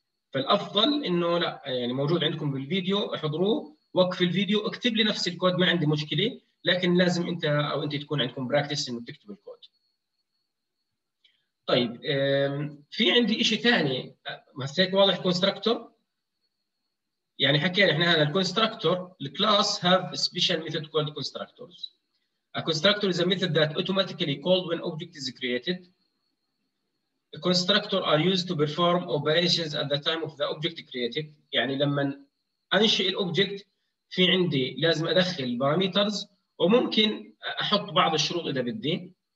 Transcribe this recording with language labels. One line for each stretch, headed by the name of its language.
Arabic: فالأفضل إنه لا يعني موجود عندكم بالفيديو احضروه، وقف الفيديو اكتب لي نفس الكود ما عندي مشكلة، لكن لازم أنت أو أنت تكون عندكم براكتس إنه تكتب الكود. طيب في عندي إشي ثاني، هيك واضح كونستراكتور؟ يعني حكينا إحنا هذا الكونستراكتور،
English: الكلاس have special method called constructors. A constructor is a method that automatically called when object is created. Constructors are used to perform operations at the time of the object created.
Arabic: يعني لما أنشئ الأوبجكت في عندي لازم أدخل الباراميترز وممكن أحط بعض الشروط إذا بدي.